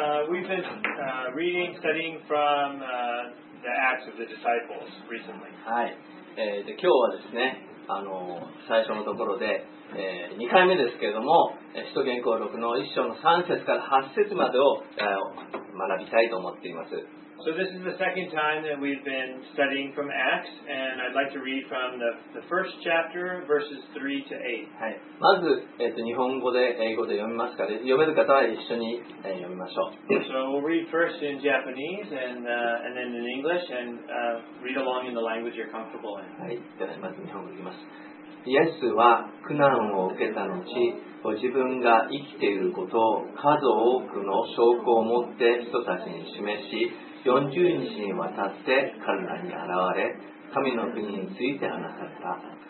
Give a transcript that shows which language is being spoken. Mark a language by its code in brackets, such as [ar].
[en] We've been reading, studying from the Acts of the Disciples recently. [ja] はい。今日はですね、最初のところで、2回目ですけれども、使徒言行録の1章の3節から8節までを学びたいと思っています。 [en] So this is the second time that we've been studying from Acts, and I'd like to read from the first chapter, verses 3 to 8. [ja] はい。まず、日本語で、英語で読みますから、読める方は一緒に、読みましょう。 [en] So we'll read first in Japanese and then in English, and read along in the language you're comfortable in. [ja] はい。では、まず日本語で言います。イエスは苦難を受けた後、ご自分が生きていることを数多くの証拠を持って人たちに示し、40日にわたって彼らに現れ、神の国について話された。